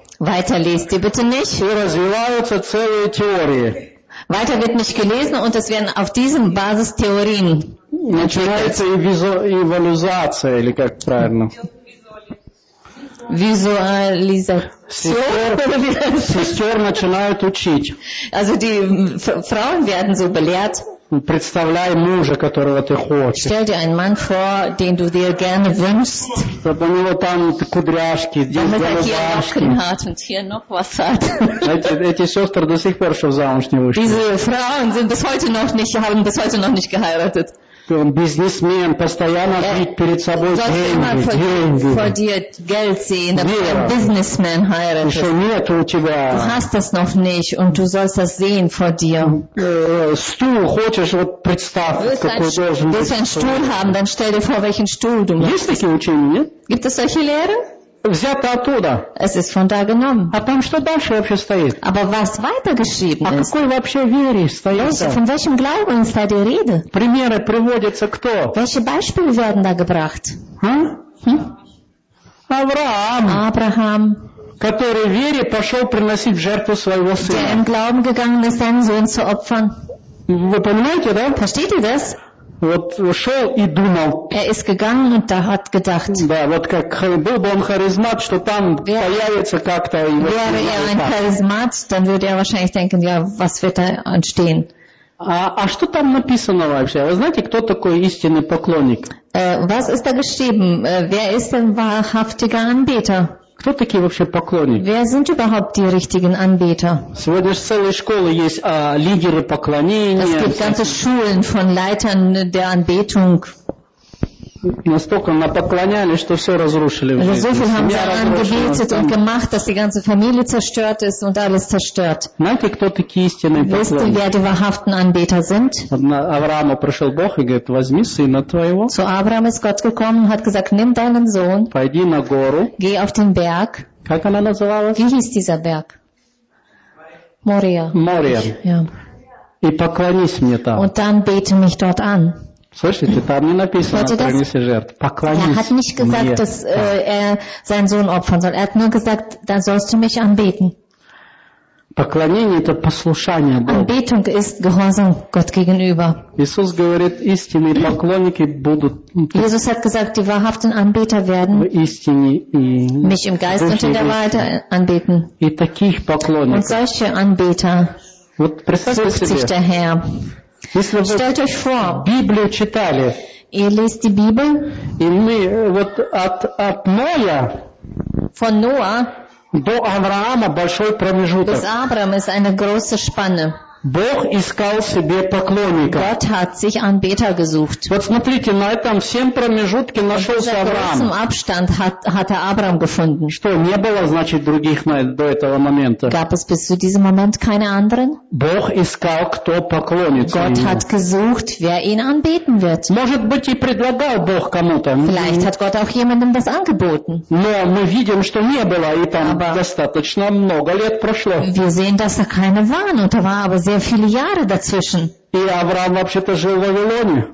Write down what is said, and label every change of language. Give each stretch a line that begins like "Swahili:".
German: Weiter lest ihr bitte nicht. Weiter wird nicht gelesen und es werden auf diesen Basis Theorien entwickelt. Visualisation. Also die Frauen werden so belehrt.
Russian: Представляй мужа, которого ты хочешь.
German: Stell dir einen Mann vor, den du dir gerne wünschst. Damit er hier noch Locken hat und hier noch was hat. Diese Frauen sind bis heute noch nicht, haben bis heute noch nicht geheiratet.
Russian: Businessmen постоянно видит перед собой деньги.
German: Vor dir Geld sehen, damit ein Businessman heiratet. Du hast das noch nicht und du sollst das sehen vor dir.
Russian: Stuhl, хочешь, вот представь, какой должен быть.
German: Willst du einen Stuhl haben, dann stell dir vor, welchen Stuhl du möchtest. Gibt es solche Lehre?
Russian: Взято оттуда.
German: Es ist von da genommen.
Russian: А там что дальше вообще стоит?
German: Aber was weiter geschrieben ist?
Russian: А какой вообще вере стоит?
German: Von welchem Glauben ist da die Rede?
Russian: Примеры приводятся кто?
German: Welche Beispiele werden da gebracht?
Russian: Авраам. Который вере пошел приносить в жертву своего сына.
German: Der im Glauben gegangen ist, seinen Sohn zu opfern.
Russian: Вы понимаете, да?
German: Versteht ihr das?
Russian: Вот шел и думал.
German: Er ist gegangen und da hat gedacht.
Russian: Да, вот как был бы он харизмат, что там появится как-то.
German: Wäre er ein Charismat, dann würde er wahrscheinlich denken, ja, was wird da entstehen?
Russian: А что там написано вообще? Вы знаете, кто такой истинный поклонник?
German: Was ist da geschrieben? Wer ist denn wahrhaftiger Anbeter?
Russian: Кто такие вообще поклонники?
German: Wer sind überhaupt die richtigen Anbeter?
Russian: Сегодня же целые школы есть, лидеры поклонения.
German: Es gibt ganze Schulen von Leitern der Anbetung.
Russian: Настолько напоклонялись, что все разрушили в жизни.
German: So viel haben sie angebetet und gemacht, dass die ganze Familie zerstört ist und alles zerstört.
Russian: Знаете, кто такие истинные поклонники?
German: Wisst ihr, wer die wahrhaften Anbeter sind?
Russian: Аврааму пришел Бог и говорит, возьми сына твоего.
German: Zu Abraham ist Gott gekommen und hat gesagt, nimm deinen Sohn.
Russian: Пойди на гору.
German: Geh auf den Berg.
Russian: Как она называлась?
German: Wie hieß dieser Berg? Moria. Moria. Ja.
Russian: И поклонись мне там.
German: Und dann bete mich dort an.
Russian: Слышите, там не написано, принеси жертв. Поклонись мне.
German: Er hat nicht gesagt,
Russian: мне.
German: Dass er seinen Sohn opfern soll. Er hat nur gesagt, dann sollst du mich anbeten.
Russian: Поклонение – это послушание Богу.
German: Anbetung ist Gehorsam Gott gegenüber.
Russian: Иисус говорит, истинные поклонники будут...
German: Jesus hat gesagt, die wahrhaften Anbeter werden mich im Geist und in der Wahrheit anbeten.
Russian: И таких поклонников.
German: Und solche Anbeter versucht sich der Herr.
Russian: Если вы
German: Stellt euch vor,
Russian: Библию читали,
German: ihr lest die Bibel,
Russian: и мы вот от Ноя
German: von Noah,
Russian: до Авраама большой промежуток.
German: Bis Abraham ist eine große Spanne.
Russian: Бог искал себе поклонника.
German: Gott hat sich Anbeter gesucht.
Russian: Вот смотрите, на этом всем промежутке нашелся Авраам.
German: In großem Abstand hat er Abraham gefunden.
Russian: Что, не было, значит, других до этого момента?
German: Gab es bis zu diesem Moment keine anderen?
Russian: Бог искал, кто поклонится ему.
German: Gott hat gesucht, wer ihn anbeten wird.
Russian: Может быть, и предлагал Бог кому-то.
German: Vielleicht hat Gott auch jemandem das angeboten.
Russian: Но мы видим, что не было, и там достаточно много лет прошло.
German: Wir sehen, dass da keine waren, und da war aber sehr sehr viele Jahre dazwischen.
Russian: И Авраам вообще-то жил в Вавилоне.